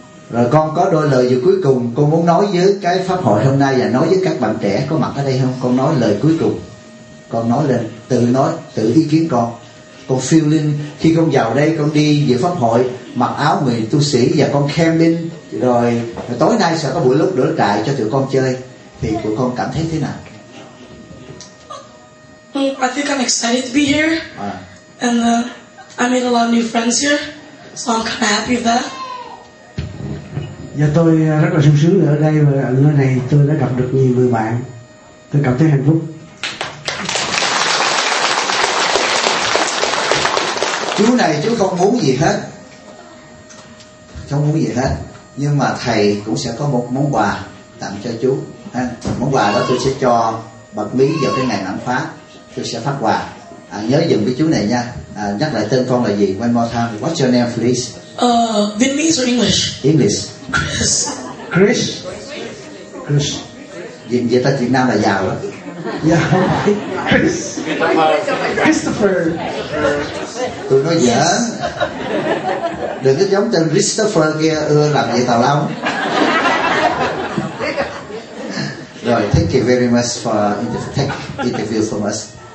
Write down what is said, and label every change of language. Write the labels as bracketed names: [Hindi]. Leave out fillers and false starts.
[Vietnamese] Rồi con có đôi lời gì cuối cùng con muốn nói với cái pháp hội hôm nay và nói với các bạn trẻ có mặt ở đây không? Con nói lời cuối cùng. Con nói lên, tự nói, tự ý kiến con. Con [English] feeling [Vietnamese] khi con vào đây, con đi dự pháp hội mặc áo người tu sĩ và con camping, rồi tối nay sẽ có buổi lúc đổi trại cho tụi con chơi, thì tụi con cảm thấy thế nào? [English] I think I'm excited to be here. And I made a lot of new friends here, so I'm kind of happy with that. [Vietnamese] Dạ, tôi rất là sung sướng ở đây và ở nơi này tôi đã gặp được nhiều người bạn. Tôi cảm thấy hạnh phúc. Chú này chú không muốn gì hết. Không muốn gì hết. Nhưng mà thầy cũng sẽ có một món quà tặng cho chú. Món quà đó tôi sẽ cho bật mí vào cái ngày mãn phát. Tôi sẽ phát quà. À, nhớ dùng cái chú này nha. À, nhắc lại tên con là gì? [English] One more time. What's your name, please? Vietnamese or English? English. Chris. Chris. Chris. [Vietnamese] Vậy ta Việt Nam là giàu lắm. Dạ không phải. Chris. Christopher. Tôi nói dở. [English] Yes. [Vietnamese] Đừng có giống tên Christopher kia ưa làm gì tào lao. [English] Rồi, thank you very much for interview from us.